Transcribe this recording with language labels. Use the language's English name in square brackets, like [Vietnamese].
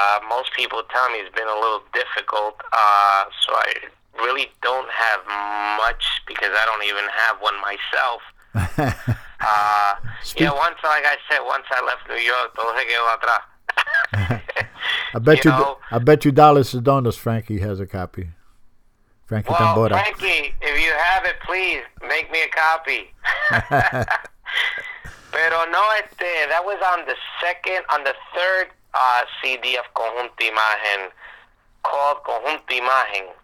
[English] Most people tell me it's been a little difficult, so I really don't have much because I don't even have one myself. once I left New York, [Spanish] todo se quedó atrás. [English] I bet you Dallas Adonis Frankie has a copy. Frankie Tambora. Well, Frankie, if you have it, please make me a copy. [Spanish] Pero no, [English] that was on the third CD of Conjunto Imagen, called Conjunto Imagen.